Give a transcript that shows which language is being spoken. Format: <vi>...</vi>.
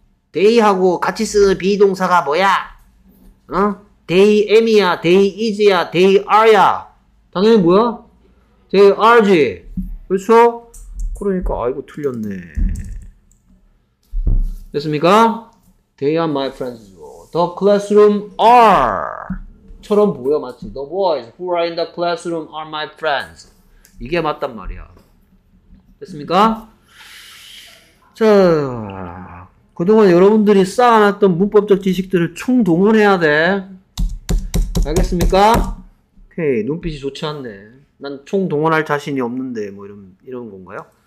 <ko>they하고 같이 쓰는 비동사가 뭐야? 어?</ko> <en>They am</en> <ko>이야,</ko> <en>they is</en> <ko>야,</ko> <en>they are</en> <ko>야. 당연히 뭐야?</ko> <en>They are</en> <ko>지. 그렇죠? 그러니까 아이고 틀렸네. 됐습니까?</ko> <en>They are my friends. The classroom are처럼</en> <ko>보여 마치</ko> <en>The boys who are in the classroom are my friends.</en> <ko>이게 맞단 말이야. 됐습니까? 자, 그동안 여러분들이 쌓아놨던 문법적 지식들을 총동원해야 돼. 알겠습니까? 오케이, 눈빛이 좋지 않네. 난 총동원할 자신이 없는데 뭐 이런 건가요?</ko>